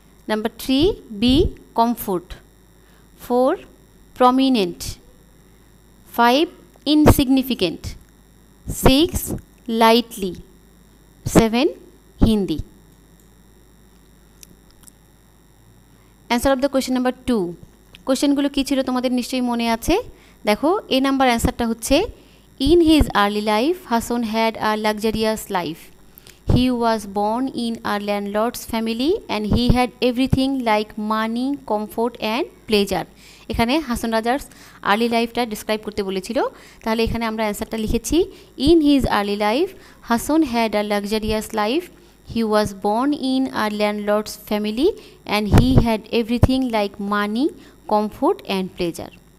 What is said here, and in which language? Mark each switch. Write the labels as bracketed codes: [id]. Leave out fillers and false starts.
[en] Number three be comfort, four prominent, five insignificant, six lightly, seven Hindi. Answer of the question number two, [bn] কোয়েশ্চেনগুলো কী ছিল তোমাদের নিশ্চয়ই মনে আছে। দেখো এ নাম্বার অ্যান্সারটা হচ্ছে, [en] In his early life Hason had a luxurious life. He was born in a landlord's family and he had everything like money, comfort and pleasure. [bn] এখানে হাসান রাজার আর্লি লাইফটা ডিসক্রাইব করতে বলেছিল, তাহলে এখানে আমরা অ্যান্সারটা লিখেছি, [en] In his early life Hasan had a luxurious life. He was born in a landlord's family and he had everything like money, comfort and pleasure.